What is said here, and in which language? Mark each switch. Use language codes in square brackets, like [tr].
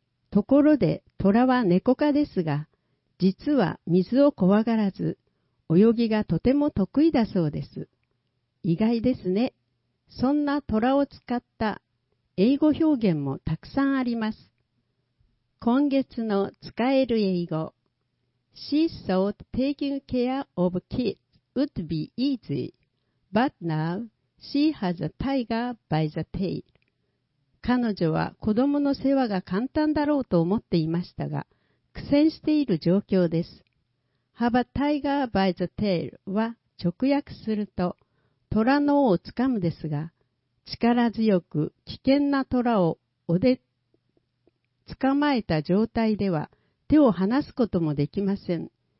[ja] ところで、トラはネコ科ですが、実は水を怖がらず、泳ぎがとても得意だそうです。意外ですね。そんなトラを使った英語表現もたくさんあります。今月の使える英語。 [en] She thought taking care of kids would be easy, but now she has a tiger by the tail. [ja] 彼女は子供の世話が簡単だろうと思っていましたが、苦戦している状況です。 [en] Have a tiger by the tail [ja] は直訳すると、虎の尾をつかむですが、力強く危険な虎を捕まえた状態では、手を離すこともできません。